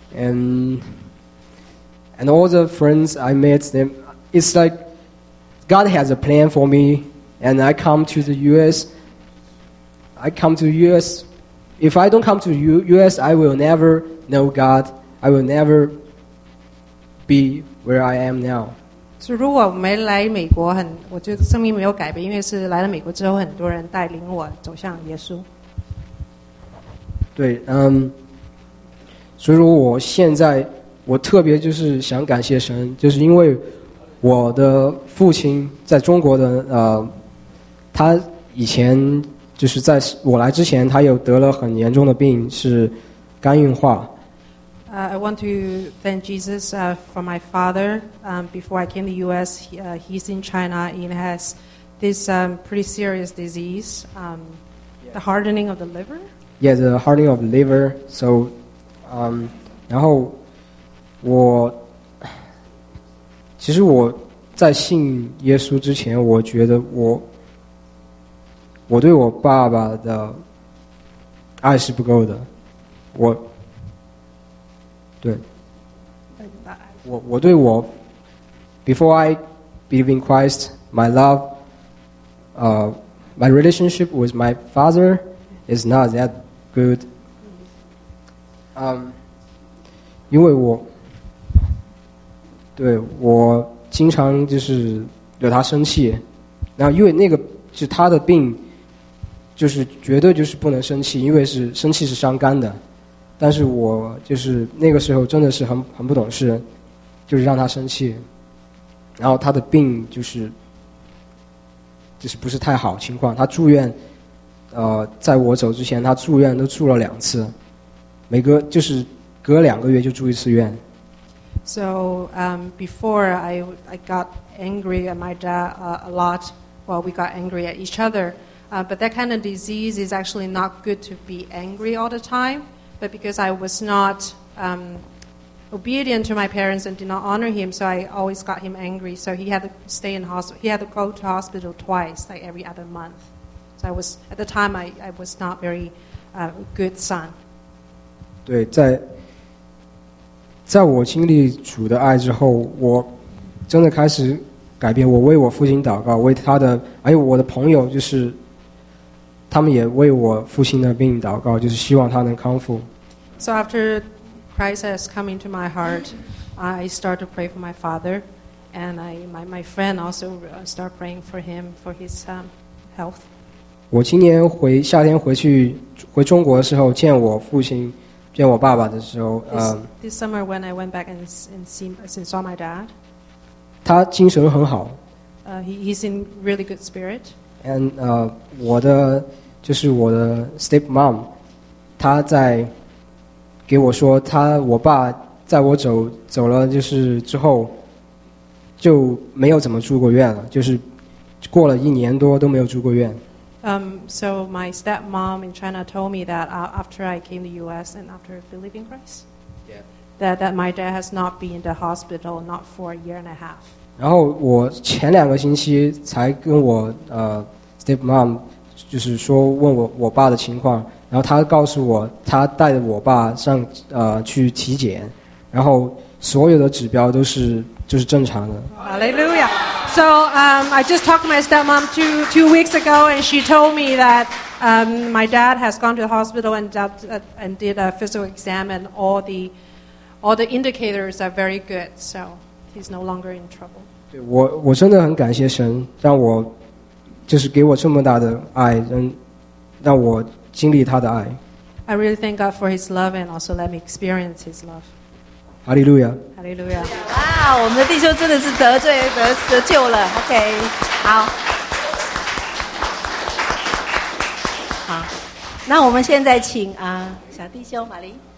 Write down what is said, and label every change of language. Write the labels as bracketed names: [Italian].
[English] And all the friends I met, them, it's like God has a plan for me, and I come to the U.S. I come to U.S. If I don't come to U.S., I will never know God. I will never be where I am now. [Chinese] So, 如果没来美国，我就生命没有改变，因为是来了美国之后，很多人带领我走向耶稣。对，所以说我现在我特别就是想感谢神，就是因为我的父亲在中国的他以前就是在我来之前，他有得了很严重的病，是肝硬化。 [English] I want to thank Jesus for my father. Before I came to U.S., he's in China. He has this pretty serious disease, the hardening of the liver. Yeah, the hardening of the liver. So. [Chinese] 然后我其实我在信耶稣之前，我觉得我对我爸爸的爱是不够的。我对我对我 [English] before I believe in Christ, my love, my relationship with my father is not that good. [Chinese] 因为我对我经常就是惹他生气，然后因为那个是他的病，就是绝对就是不能生气，因为是生气是伤肝的。但是我就是那个时候真的是很不懂事，就是让他生气，然后他的病就是不是太好情况。他住院，在我走之前他住院都住了两次，每个就是隔两个月就住一次院。 [English] So before I got angry at my dad a lot, well, we got angry at each other. But that kind of disease is actually not good to be angry all the time. But because I was not obedient to my parents and did not honor him, so I always got him angry. So he had to stay in hospital. He had to go to hospital twice, like every other month. So I was at the time I was not very good son. [Chinese] 对，在我经历主的爱之后，我真的开始改变。我为我父亲祷告，为他的，还有我的朋友，就是他们也为我父亲的病祷告，就是希望他能康复。 [English] So after Christ has come into my heart, I start to pray for my father, and my friend also start praying for him for his health. [Chinese] 我今年夏天回中国的时候，见我父亲。见我爸爸的时候 [English] this summer when I went back and saw my dad, [Chinese] 他精神很好 [English] he's in really good spirit. [Chinese] And 我的就是我的 stepmom, 他在给我说他我爸在我走了就是之后就没有怎么住过院了，就是过了一年多都没有住过院。 [English] So my stepmom in China told me that after I came to the U.S. and after believing Christ, yeah. that my dad has not been in the hospital not for a year and a half. [Chinese] 然后我前两个星期才跟我stepmom 就是说问我爸的情况，然后他告诉我他带着我爸上去体检，然后所有的指标都是就是正常的。 [English] Hallelujah. So I just talked to my stepmom two weeks ago, and she told me that my dad has gone to the hospital and did a physical exam, and all the indicators are very good. So he's no longer in trouble. [Chinese] 对，我真的很感谢神，让我就是给我这么大的爱，让我经历他的爱。 [English] I really thank God for His love and also let me experience His love. [Chinese] 哈利路亚，哈利路亚！哇，我们的弟兄真的是得救了。 OK， 好，好，那我们现在请小弟兄玛丽。